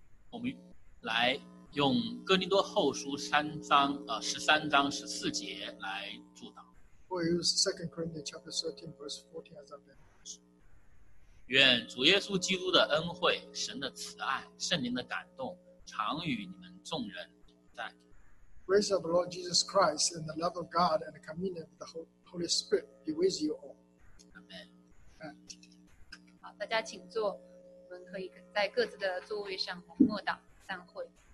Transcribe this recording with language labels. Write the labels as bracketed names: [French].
[Chinese] 我们来用哥林多后书13:14来祝祷。 [English] We use Second Corinthians chapter 13, verse 14 as a benediction. [Chinese] 愿主耶稣基督的恩惠、神的慈爱、圣灵的感动，常与你们众人同在。 [English] Grace of the Lord Jesus Christ and the love of God and the communion of the Holy Spirit be with you all. Amen. Amen. [Chinese] 好，大家请坐，我们可以在各自的座位上默祷散会。